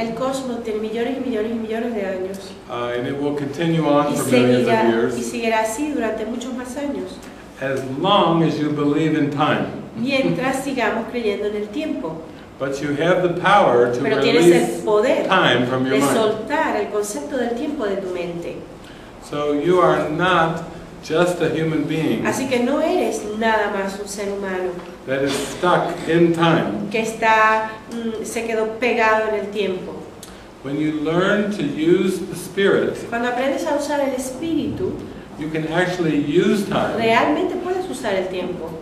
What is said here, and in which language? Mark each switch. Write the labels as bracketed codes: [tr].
[es] El cosmos tiene millones y millones y millones de años. [en] And it will continue on for millions of years. [es] Y seguirá así durante muchos más años. [en] As long as you believe in time. [es] Mientras sigamos creyendo en el tiempo. [en] But you have the power to [es] pero [en] release [es] el poder [en] time from your mind. [es] Soltar el concepto del tiempo de tu mente. [en] So you are not just a human being. [es] Así que no eres nada más un ser humano. [en] That is stuck in time. [es] Que está, se quedó pegado en el tiempo. [en] When you learn to use the spirit, [es] cuando aprendes a usar el espíritu, [en] you can actually use time. [es] Realmente puedes usar el tiempo.